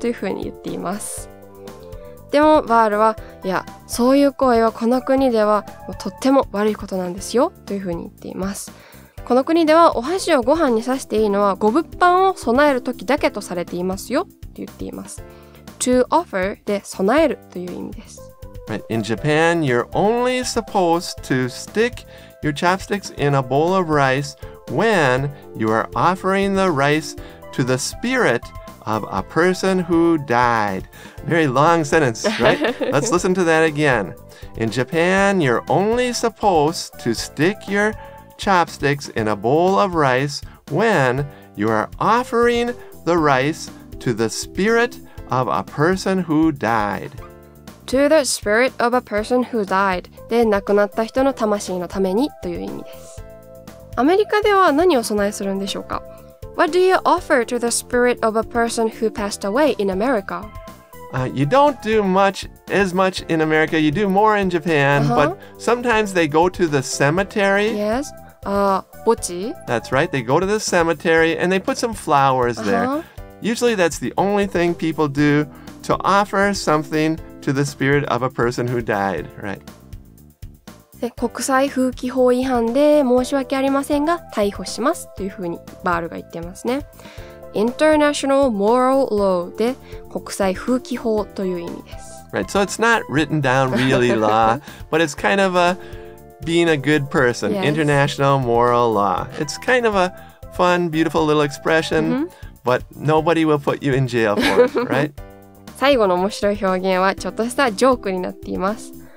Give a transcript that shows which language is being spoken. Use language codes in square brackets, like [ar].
[ja] というふうに言っています。でも、バールは、いや、そういう行為はこの国ではとっても悪いことなんですよ、というふうに言っています。この国ではお箸をご飯に刺していいのはご物販を備える時だけとされていますよと言っています。 [en] To offer [ja] で備えるという意味です。 [en] Right. In Japan, you're only supposed to stick your chopsticks in a bowl of rice when you are offering the rice to the spirit of a person who died. Very long sentence, right? Let's listen to that again. In Japan, you're only supposed to stick yourChopsticks in a bowl of rice when you are offering the rice to the spirit of a person who died. To the spirit of a person who died. [ja] で、亡くなった人の魂のためにという意味です。アメリカでは何を備えするんでしょうか? [en] What do you offer to the spirit of a person who passed away in America? You don't do much as much in America. You do more in Japan, but sometimes they go to the cemetery. Yes, 墓地. That's right. They go to the cemetery and they put some flowers there. Usually that's the only thing people do to offer something to the spirit of a person who died, right? [ja] で、国際風紀法違反で申し訳ありませんが逮捕しますというふうにバールが言ってますね。 [en] International Moral Law [ja] で国際風紀法という意味です。 [en] Right, so it's not written down really law, but it's kind of a being a good person. Yes. International Moral Law. It's kind of a fun, beautiful little expression, but nobody will put you in jail for it, right? [ja] 最後の面白い表現はちょっとしたジョークになっています。